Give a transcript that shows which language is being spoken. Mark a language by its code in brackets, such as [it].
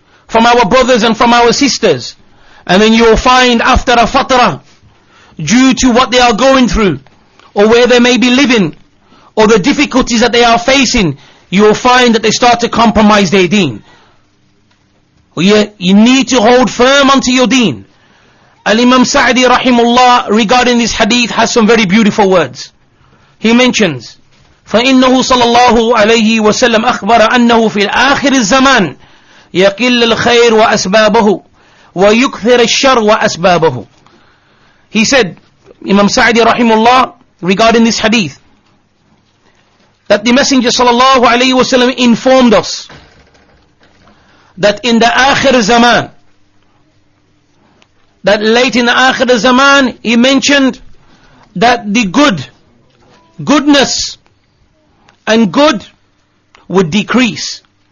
[en] from our brothers and from our sisters. And then you will find after a fatra, due to what they are going through, or where they may be living, or the difficulties that they are facing, you will find that they start to compromise their deen. You need to hold firm onto your deen. Al-Imam Sa'di rahimullah, regarding this hadith, has some very beautiful words. He mentions, [ar] فَإِنَّهُ صَلَى اللَّهُ عَلَيْهِ وَسَلَّمْ أَخْبَرَ أَنَّهُ فِي الْآخِرِ الزَّمَانِ يَقِلَّ الْخَيْرُ وَأَسْبَابَهُ وَيُكْثِرَ الشَّرُ وَأَسْبَابَهُ. [en] He said, Imam Sa'di rahimullah, regarding this hadith, that the Messenger sallallahu alayhi wa sallam informed us that in the akhir zaman, that late in the akhir zaman, he mentioned that the goodness and good would decrease.